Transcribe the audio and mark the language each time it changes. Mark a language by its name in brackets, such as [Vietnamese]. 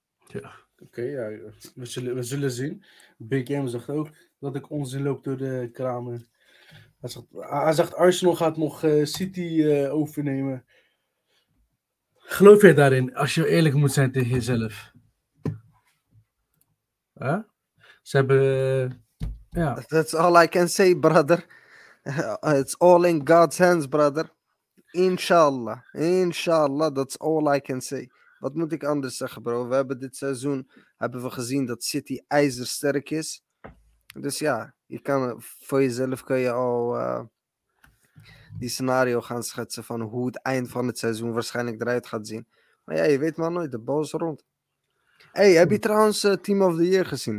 [Dutch] Ja, oké, we zullen zien. Big M zegt ook dat ik onzin loop door de kramen. Hij zegt Arsenal gaat nog City overnemen. Geloof jij daarin, als je eerlijk moet zijn tegen jezelf? Huh? Ze hebben... [English] That's all I can say, brother. It's all in God's hands, brother. Inshallah, that's all I can say. [Dutch] Wat moet ik anders zeggen, bro? We hebben dit seizoen hebben we gezien dat City ijzersterk is. Dus ja, je kan voor jezelf kan je al... die scenario gaan schetsen van hoe het eind van het seizoen waarschijnlijk eruit gaat zien. Maar ja, je weet maar nooit, de bal is rond. Hey, heb je trouwens Team of the Year gezien?